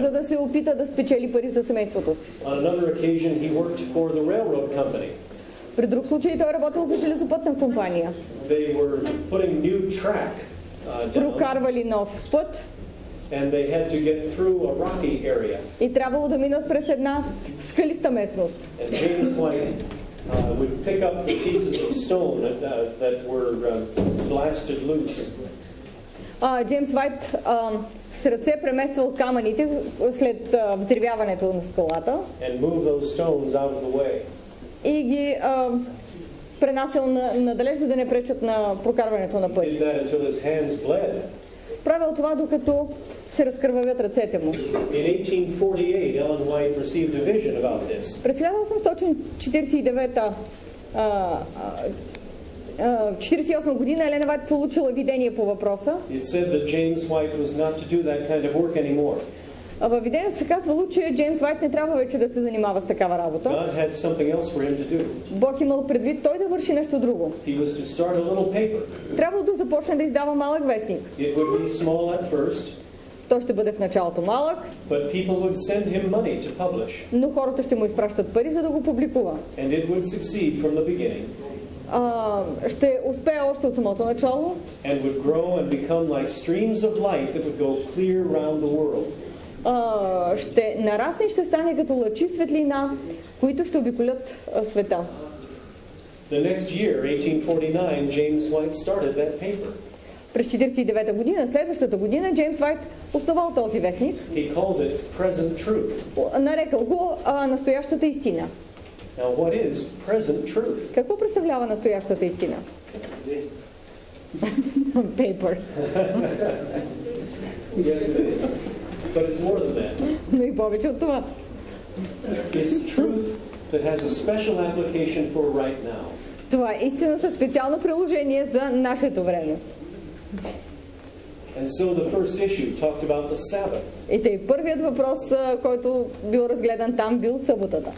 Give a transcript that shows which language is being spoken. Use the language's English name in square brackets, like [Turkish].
[Bulgarian] За да се опита да спечели пари за семейството си. [English] On another occasion he worked for the railroad company. [Bulgarian] При друг случай той работил за железопътна компания. [English] They were putting new track. [Bulgarian] Прокарвали нов път. [English] And they had to get through a rocky area. [Bulgarian] И трябвало да минат през една скалиста местност. [English] And James White would pick up the pieces of stone that were blasted loose. [Bulgarian] Джеймс Вайт с ръце премествал камъните след взривяването на скалата. [English] And move those stones out of the way. [Bulgarian] И ги пренасил надалеч, за да не пречат на прокарването на пътя. [English] He did that until his hands bled. [Bulgarian] Правил това, докато се разкървавят ръцете му. [English] In 1848, Ellen White received a vision about this. [Bulgarian] През 1848 година Елена Вайт получила видение по въпроса. [English] It said that James White was not to do that kind of work anymore. [Bulgarian] Във видението се казвало, че Джеймс Вайт не трябва вече да се занимава с такава работа. [English] God had something else for him to do. [Bulgarian] Бог имал предвид той да върши нещо друго. [English] He was to start a little paper. [Bulgarian] Трябвало да започне да издава малък вестник. [English] It would be small at first. [Bulgarian] Той ще бъде в началото малък. [English] But people would send him money to publish. [Bulgarian] Но хората ще му изпращат пари, за да го публикува. [English] And it would succeed from the beginning. [Bulgarian] Ще успее още от самото начало. [English] And would grow and become like streams of light that would go clear around the world. [Bulgarian] Ще нарасне и ще стане като лъчи светлина, които ще обиколят света. [English] The next year, 1849, James White started that paper. [Bulgarian] През 49-та година, следващата година, Джеймс Вайт основал този вестник. [English] He called it present truth. [Bulgarian] Нарекал го настоящата истина. [English] Now, what is present truth? [Bulgarian] Какво представлява настоящата истина? [English] This. Paper. Yes, it is. But it's more than that. [Bulgarian] Но и повече от това. [English] It's truth that has a special application for right now. [Bulgarian] Това е истина със специално приложение за нашето време. [English] And so the first issue talked about the Sabbath. [Bulgarian] И тъй първият въпрос, който бил разгледан там, бил съботата.